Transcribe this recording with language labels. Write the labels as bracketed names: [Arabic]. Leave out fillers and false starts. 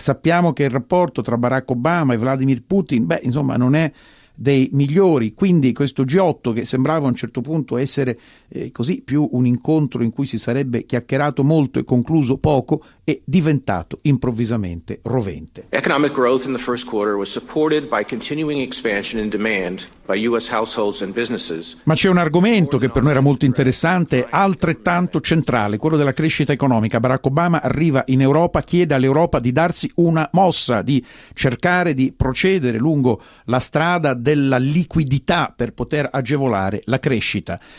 [Italian] Sappiamo che il rapporto tra Barack Obama e Vladimir Putin, insomma, non è dei migliori, quindi questo G8 che sembrava a un certo punto essere così più un incontro in cui si sarebbe chiacchierato molto e concluso poco è diventato improvvisamente rovente. [English] Economic growth in the first quarter was supported by continuing expansion in demand by US households and businesses. [Italian] Ma c'è un argomento che per noi era molto interessante, altrettanto centrale, quello della crescita economica. Barack Obama arriva in Europa, chiede all'Europa di darsi una mossa, di cercare di procedere lungo la strada della liquidità per poter agevolare la crescita.